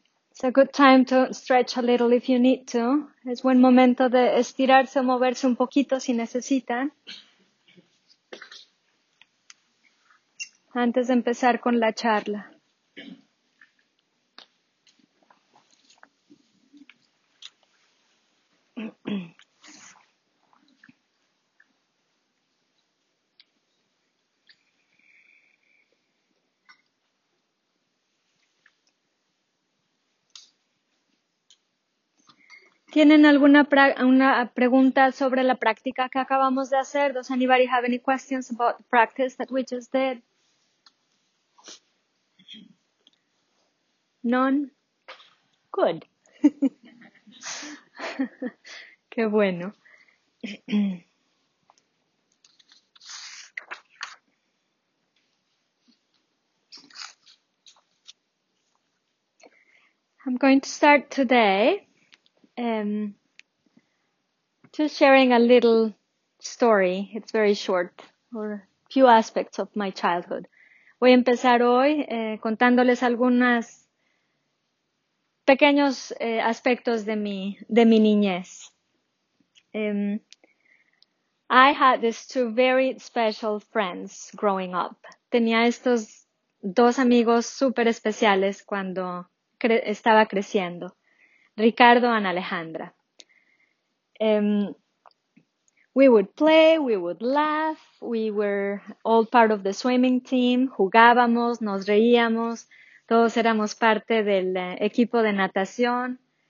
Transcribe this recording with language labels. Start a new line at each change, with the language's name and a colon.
English: It's a good time to stretch a little if you need to.
Spanish: Es buen momento de estirarse o moverse un poquito si necesitan. Antes de empezar con la charla. ¿Tienen alguna una pregunta sobre la práctica que acabamos de hacer?
English: Does anybody have any questions about the practice that we just did? None? Good.
Spanish: Qué bueno.
English: I'm going to start today. Just sharing a little story. It's very short, or a few aspects of my childhood.
Spanish: Voy a empezar hoy contándoles algunos pequeños aspectos de mi niñez.
English: I had these two very special friends growing up.
Spanish: Tenía estos dos amigos súper especiales cuando estaba creciendo.
English: Ricardo and Alejandra. We would play, we would laugh, we were all part of the swimming team,
Spanish: jugábamos, nos reíamos, todos éramos parte del equipo de natación.